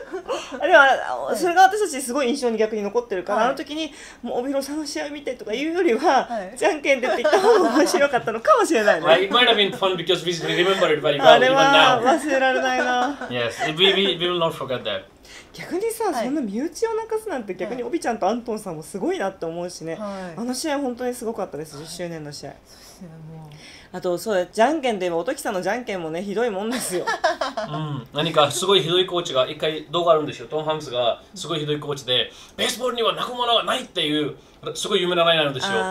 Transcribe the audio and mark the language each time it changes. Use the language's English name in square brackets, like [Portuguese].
[Japanese] でもそれが私たちすごい印象に逆に残ってるから、はい、あの時にもう帯広さんの試合見てとか言うよりは、はい、じゃんけんでって言った方が面白かったのかもしれないね。 [English] Right, it might have been fun because we remember it very well even now. [Japanese] あれは忘れられないな。 [English] Yes, we will not forget that. [Japanese] 逆にさ、はい、そんな身内を泣かすなんて逆に帯ちゃんとアントンさんもすごいなって思うしね、はい、あの試合本当にすごかったです、はい、10周年の試合。そしてもうあとそうじゃんけんで言えばおときさんのじゃんけんもねひどいもんですよ。うん、何かすごいひどいコーチが一回動画あるんですよ。トム・ハンスがすごいひどいコーチでベースボールには泣くものがないっていうすごい有名なラインなんですよ。